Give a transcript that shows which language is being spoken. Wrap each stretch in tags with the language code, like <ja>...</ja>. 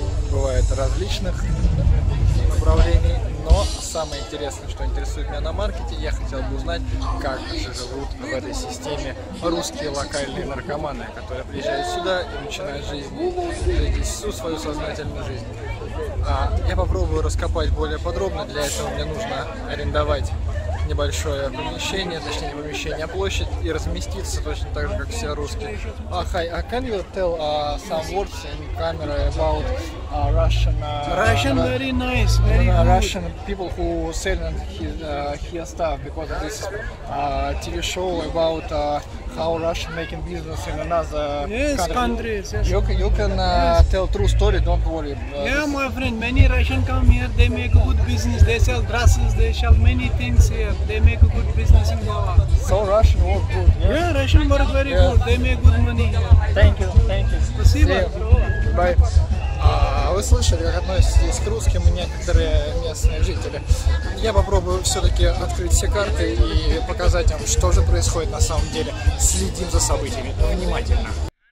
<ru>Бывает различных направлений, но самое интересное, что интересует меня на маркете, я хотел бы узнать, как же живут в этой системе русские локальные наркоманы, которые приезжают сюда и начинают жить всю свою сознательную жизнь. А я попробую раскопать более подробно, для этого мне нужно арендовать небольшое помещение, точнее не помещение, а площадь, и разместиться точно так же, как все русские.</ru> <en>Russian very nice, very good. Russian people who selling his stuff because of this TV show about how Russian making business in another countries. Yes. You can tell true story, don't worry. My friend, many Russian come here, they make good business, they sell dresses, they sell many things here, they make a good business in Goa. So Russian work good, yes? Yeah, Russian work very good, they make good money here. Thank you.</en> <ru>Спасибо.</ru> <en>Bye.</en> <ru>Вы слышали, как относитесь к русским и некоторые местные жители. Я попробую все-таки открыть все карты и показать вам, что же происходит на самом деле. Следим за событиями внимательно.</ru>